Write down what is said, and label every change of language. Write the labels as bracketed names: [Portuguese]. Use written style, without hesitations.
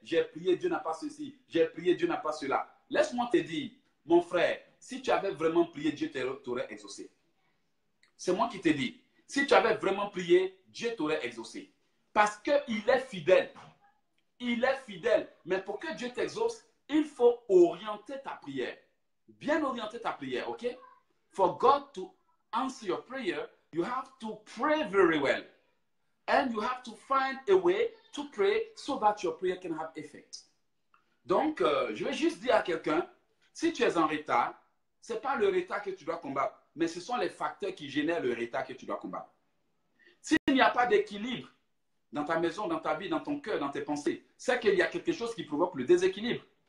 [French] J'ai prié, Dieu n'a pas ceci. J'ai prié, Dieu n'a pas cela. » Laisse-moi te dire, mon frère, si tu avais vraiment prié, Dieu t'aurait exaucé. C'est moi qui te dis. Si tu avais vraiment prié, Dieu t'aurait exaucé. Parce qu'il est fidèle. Il est fidèle. Mais pour que Dieu t'exauce, il faut orienter ta prière. Bien orienter ta prière, ok? [English] For God to answer your prayer, you have to pray very well. And you have to find a way to pray so that your prayer can have effect. [French] Donc, je vais juste dire à quelqu'un, si tu es en retard, ce n'est pas le retard que tu dois combattre, mais ce sont les facteurs qui génèrent le retard que tu dois combattre. S'il n'y a pas d'équilibre dans ta maison, dans ta vie, dans ton cœur, dans tes pensées, c'est qu'il y a quelque chose qui provoque le déséquilibre.